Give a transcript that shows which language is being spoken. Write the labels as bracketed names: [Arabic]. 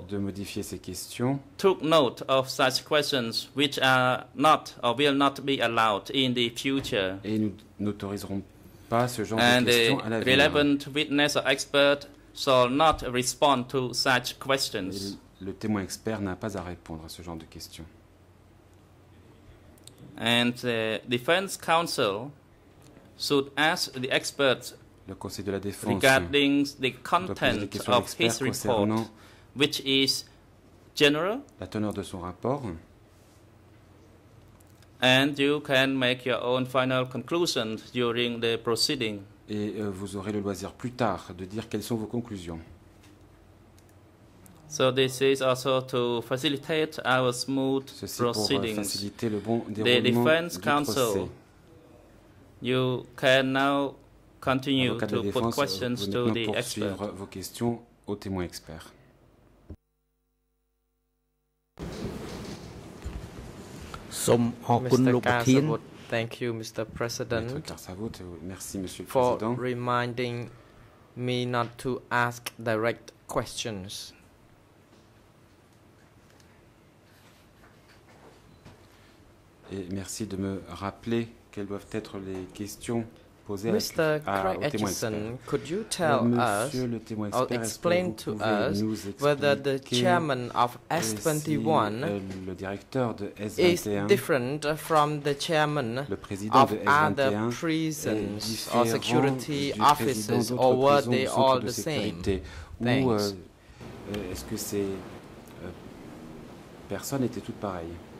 [French] de modifier ces questions [English] took note of such questions which are not or will not be allowed in the future. [French] Et nous n'autoriserons pas ce genre [English] and [French] de questions à l'avenir. [English] Relevant witness or expert shall not respond to such questions. [French] Et le témoin expert n'a pas à répondre à ce genre de questions. [English] And the defense counsel should ask the experts [French] le conseil de la défense [English] regarding the content of his report, which is general. [French] La teneur de son rapport. [English] And you can make your own final conclusion during the proceeding. [French] Et vous aurez le loisir plus tard de dire quelles sont vos conclusions. [English] So this is also to facilitate our smooth [French] ceci [English] proceedings. [French] Pour faciliter le bon déroulement [English] the defense counsel, [French] procès. [English] You can now continue to [French] défense, [English] put questions to the expert. [French] Vos questions au témoin expert. [English] Mr. Carsavut, thank you, Mr. President, [French] merci, [English] for President. Reminding me not to ask direct questions. [French] Et merci de me rappeler quelles doivent être les questions posées au témoin expert. Could you tell Monsieur [English] us [French] le témoin expert, [English] or explain to us whether the chairman of S21 [French] si, le directeur de [English] is different from the chairman [French] le président [English] of [French] de S21 [English] other prisons or security offices, or were they all the [French] sécurité? [English] Same? [French] Ou est-ce que ces personnes étaient toutes pareilles?